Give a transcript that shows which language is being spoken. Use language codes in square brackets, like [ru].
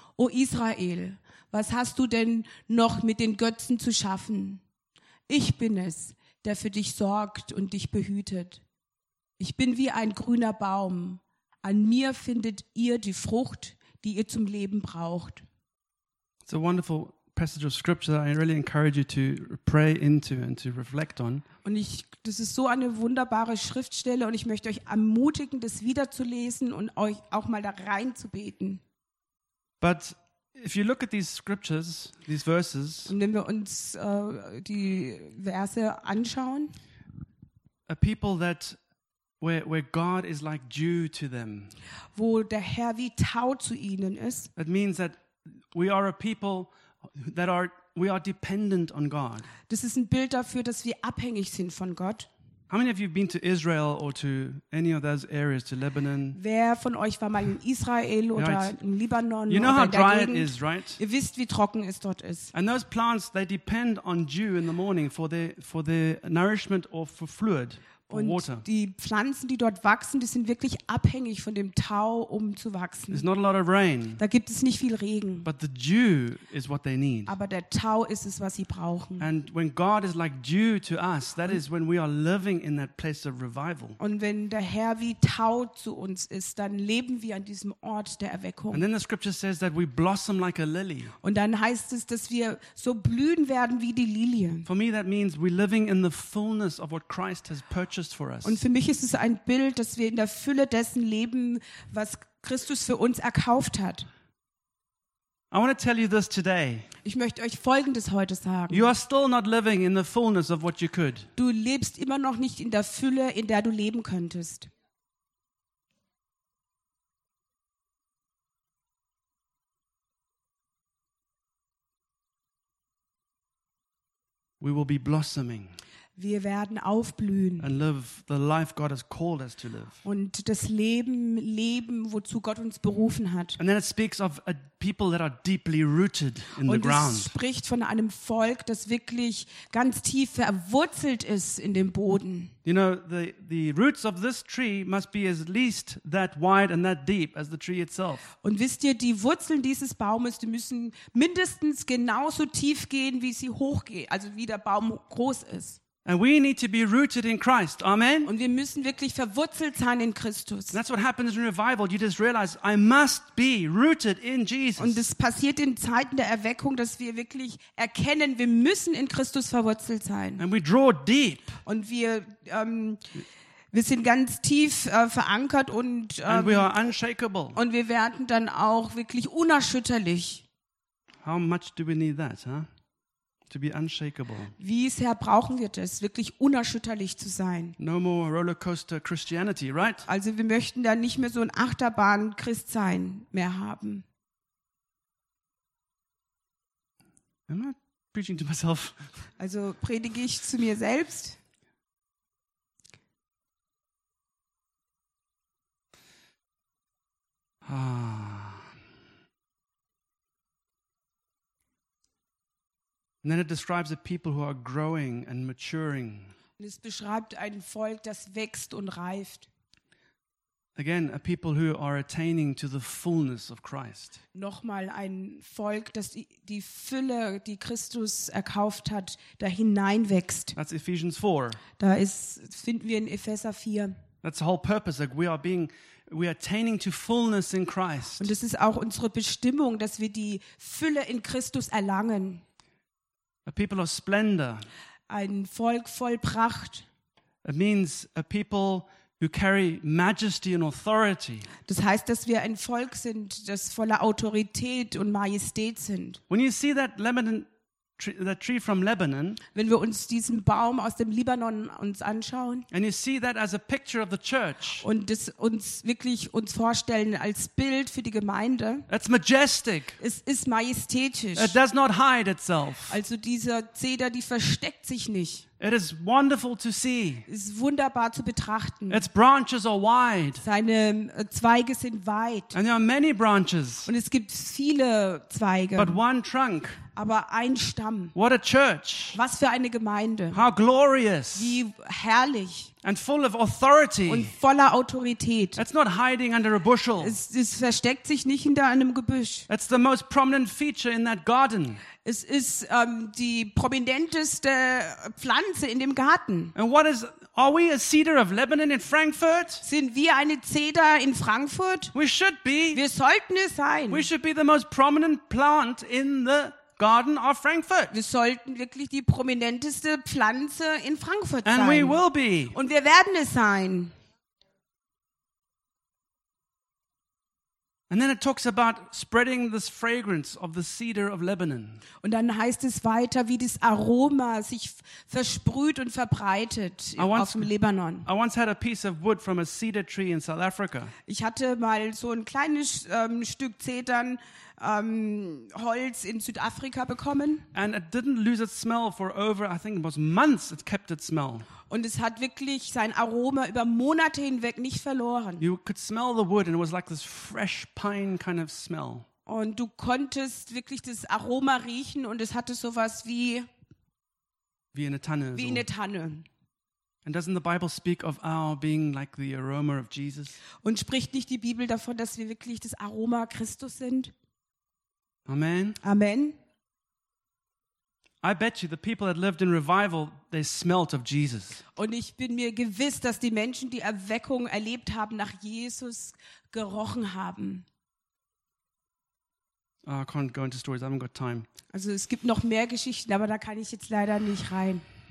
[de] O Israel, was hast du denn noch mit den Götzen zu schaffen? Ich bin es, der für dich sorgt und dich behütet. Ich bin wie ein grüner Baum. An mir findet ihr die Frucht, die ihr zum Leben braucht. [en] It's a wonderful passage of scripture that I really encourage you to pray into and to reflect on. [de] Und das ist so eine wunderbare Schriftstelle und ich möchte euch ermutigen, das wiederzulesen und euch auch mal da reinzubeten. [en] But if you look at these scriptures, these verses, [de] und wenn wir uns die Verse anschauen, [en] a people that where God is like dew to them. [de] Wo der Herr wie Tau zu ihnen ist. [en] It means that we are a people that we are dependent on God. [de] Das ist ein Bild dafür, dass wir abhängig sind von Gott. [en] How many of you have been to Israel or to any of those areas, to Lebanon? [de] Wer von euch war mal in Israel oder in Libanon? [en] You know how dry [de] Gegend? [en] It is, right? [de] Ihr wisst, wie trocken es dort ist. [en] And those plants, they depend on dew in the morning for their nourishment or for fluid. [de] Und die Pflanzen, die dort wachsen, die sind wirklich abhängig von dem Tau, um zu wachsen. [en] There's not a lot of rain, [de] da gibt es nicht viel Regen. [en] But the dew is what they need. [de] Aber der Tau ist es, was sie brauchen. [en] And when God is like dew to us, that is when we are living in that place of revival. [de] Und wenn der Herr wie Tau zu uns ist, dann leben wir an diesem Ort der Erweckung. [en] And then the scripture says that we blossom like a lily. [de] Und dann heißt es, dass wir so blühen werden wie die Lilie. [en] For me, that means we're living in the fullness of what Christ has purchased. [de] Und für mich ist es ein Bild, dass wir in der Fülle dessen leben, was Christus für uns erkauft hat. [en] I want to tell you this today. [de] Ich möchte euch Folgendes heute sagen. [en] You are still not living in the fullness of what you could. [de] Du lebst immer noch nicht in der Fülle, in der du leben könntest. [en] We will be blossoming. [de] Wir werden aufblühen [en] and live the life God has called us to live. [de] Und das Leben leben, wozu Gott uns berufen hat. [en] And then it speaks of a people that are deeply rooted in the ground. [de] Und es spricht von einem Volk, das wirklich ganz tief verwurzelt ist in dem Boden. [en] You know, the roots of this tree must be at least that wide and that deep as the tree itself. [de] Und wisst ihr, die Wurzeln dieses Baumes, die müssen mindestens genauso tief gehen, wie sie hochgehen, also wie der Baum groß ist. [en] And we need to be rooted in Christ. Amen. [de] Und wir müssen wirklich verwurzelt sein in Christus. [en] And that's what happens in revival. You just realize I must be rooted in Jesus. [de] Und es passiert in Zeiten der Erweckung, dass wir wirklich erkennen, wir müssen in Christus verwurzelt sein. [en] And we draw deep. [de] Und wir sind ganz tief verankert und [en] and we are unshakable. [de] Und wir werden dann auch wirklich unerschütterlich. [en] How much do we need that, huh? To be unshakable. [de] Wie sehr brauchen wir das, wirklich unerschütterlich zu sein? [en] No more roller coaster Christianity, right? [de] Also wir möchten dann nicht mehr so ein Achterbahn-Christsein mehr haben. [en] Am I preaching to myself? [de] Also predige ich zu mir selbst? [en] And then it describes a people who are growing and maturing. [de] Und es beschreibt ein Volk, das wächst und reift. [en] Again, a people who are attaining to the fullness of Christ. [de] Nochmal ein Volk, das die Fülle, die Christus erkauft hat, da hineinwächst. [en] That's Ephesians 4. [de] Da ist, finden wir in Epheser 4. [en] That's the whole purpose, like we are attaining to fullness in Christ. [de] Und es ist auch unsere Bestimmung, dass wir die Fülle in Christus erlangen. [en] A people of splendor. [de] Ein Volk voll Pracht. [en] It means a people who carry majesty and authority. [de] Das heißt, dass wir ein Volk sind, das voller Autorität und Majestät sind. [en] When you see that Lebanon tree, that tree from Lebanon, [de] wenn wir uns diesen Baum aus dem Libanon uns anschauen, [en] and you see that as a picture of the church, [de] und das uns wirklich uns vorstellen als Bild für die Gemeinde, [en] it's majestic. [de] Es ist majestätisch. [en] It does not hide itself. [de] Also dieser Zeder, die versteckt sich nicht. [en] It is wonderful to see. [de] Es ist wunderbar zu betrachten. [en] Its branches are wide. [de] Seine Zweige sind weit. [en] And there are many branches. [de] Und es gibt viele Zweige. [en] But one trunk. [de] Aber ein Stamm. [en] What a church. [de] Was für eine Gemeinde. [en] How glorious. [de] Wie herrlich. [en] And full of authority. [de] Und voller Autorität. [en] It's not hiding under a bushel. [de] Es versteckt sich nicht hinter einem Gebüsch. [en] It's the most prominent feature in that garden. [de] Es ist die prominenteste Pflanze in dem Garten. [en] And what is, are we a cedar of Lebanon in Frankfurt? [de] Sind wir eine Zeder in Frankfurt? [en] We should be. [de] Wir sollten es sein. [en] We should be the most prominent plant in the Garden of Frankfurt. [de] Wir sollten wirklich die prominenteste Pflanze in Frankfurt sein. [en] And we will be. [de] Und wir werden es sein. [en] And then it talks about spreading this fragrance of the cedar of Lebanon. [de] Und dann heißt es weiter, wie das Aroma sich versprüht und verbreitet auf dem Libanon. [en] I once had a piece of wood from a cedar tree in South Africa. [de] Ich hatte mal so ein kleines Stück Zedern Holz in Südafrika bekommen. [en] And it didn't lose its smell for over, I think it was months, it kept its smell. [de] Und es hat wirklich sein Aroma über Monate hinweg nicht verloren. [en] You could smell the wood and it was like this fresh pine kind of smell. [de] Und du konntest wirklich das Aroma riechen und es hatte sowas wie in der Tanne. Wie so. In der Tanne. [en] And doesn't the Bible speak of our being like the aroma of Jesus? [de] Und spricht nicht die Bibel davon, dass wir wirklich das Aroma Christus sind? [en] Amen. [de] Amen. [en] I bet you the people that lived in revival, they smelt of Jesus. [de] Und ich bin mir gewiss, dass die Menschen, die Erweckung erlebt haben, nach Jesus gerochen haben. [en] Oh, I can't go into stories. I haven't got time. [de] Also es gibt noch mehr Geschichten, aber da kann ich jetzt leider nicht rein.